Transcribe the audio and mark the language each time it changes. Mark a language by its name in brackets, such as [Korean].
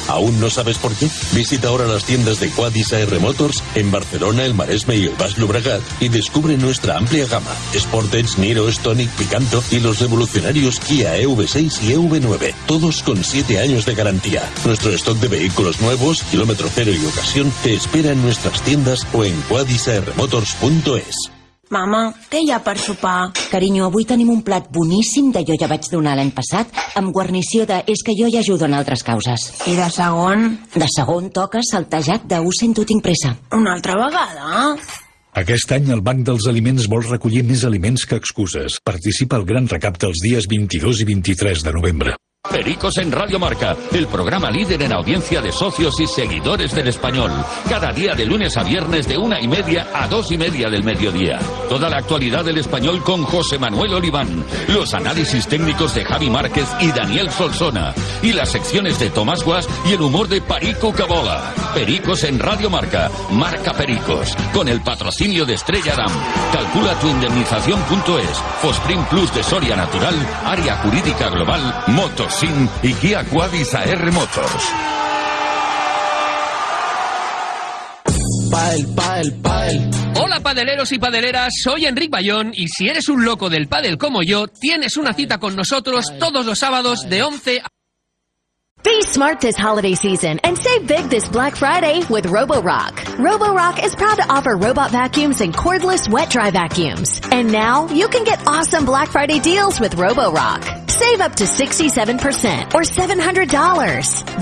[Spanish] ¿Aún no sabes por qué? Visita ahora las tiendas de Quadis AR Motors en Barcelona, el Maresme y el Baix Llobregat y descubre nuestra amplia gama. Sportage, Niro, Stonic, Picanto y los revolucionarios Kia EV6 y EV9. Todos con 7 años de garantía. Nuestro stock de vehículos nuevos, kilómetro cero y ocasión, te espera en nuestras tiendas o en quadisarmotors.es. [Catalan] Mama, què hi ha per sopar? Carinyo, avui tenim un plat boníssim d'allò ja vaig donar l'any passat amb guarnició de és que jo hi ajudo en altres causes. I de segon? De segon toca saltejat de ho sento, tinc pressa. Una altra vegada? Aquest any el Banc dels Aliments vol recollir més aliments que excuses. Participa al Gran Recap dels dies 22 i 23 de novembre. [Spanish] Pericos en Radio Marca, el programa líder en audiencia de socios y seguidores del español. Cada día de lunes a viernes de 1:30 a 2:30 del mediodía. Toda la actualidad del español con José Manuel Oliván. Los análisis técnicos de Javi Márquez y Daniel Solsona. Y las secciones de Tomás Guas y el humor de Perico Cabola. Pericos en Radio Marca, Marca Pericos. Con el patrocinio de Estrella Damm. Calcula tu indemnización.es. Fosprin Plus de Soria Natural. Área Jurídica Global. Moto. Sin y Kia Quadis AR Motors. Pádel, pádel, pádel. Hola padeleros y padeleras, soy Enric Bayón y si eres un loco del pádel como yo, tienes una cita con nosotros todos los sábados de 11 a... [English] Be smart this holiday season and save big this Black Friday with Roborock. Roborock is proud to offer robot vacuums and cordless wet-dry vacuums. And now, you can get awesome Black Friday deals with Roborock. Save up to 67% or $700.